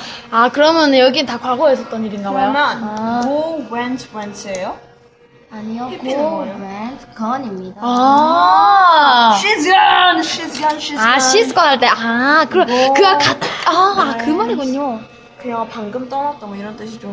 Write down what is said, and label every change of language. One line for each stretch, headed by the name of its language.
Korean: 아, 그러면 여긴 다 과거에 있었던 일인가 봐요. 그러면 go, went, went예요? 아니요. go, went, gone입니다. 아~
English: she's gone.
Korean: 아,
English: she's gone
Korean: 할 때. 아, 그럼 그가 갔 그 말이군요. 그냥 방금 떠났던 이런 뜻이죠.